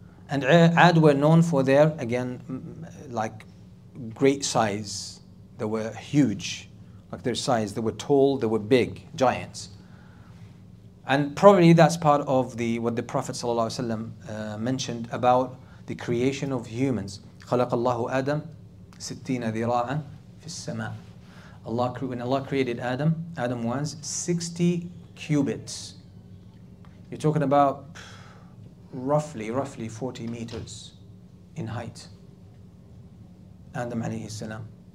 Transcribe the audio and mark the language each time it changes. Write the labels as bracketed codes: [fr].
[en] And Ad were known for their, again, like great size. They were huge, like their size. They were tall, they were big, giants. And probably that's part of the what the Prophet ﷺ mentioned about the creation of humans. [ar] خلق الله آدم 60 ذراعا في السماء. [en] Allah, when Allah created Adam, Adam was 60 cubits. You're talking about roughly 40 meters in height. Adam alayhi salam.